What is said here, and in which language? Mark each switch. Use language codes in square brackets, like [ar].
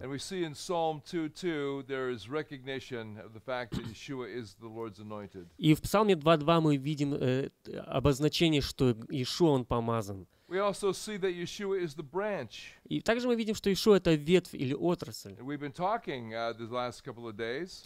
[en] And we see in Psalm 2:2 there is recognition of the fact that Yeshua is the Lord's anointed. [ru] И в Псалме 2:2 мы видим обозначение, что Иешуа он помазан. [en] We also see that Yeshua is the branch. [ru] И также мы видим, что Иешуа это ветвь или отрасль. [en] And we've been talking the last couple of days.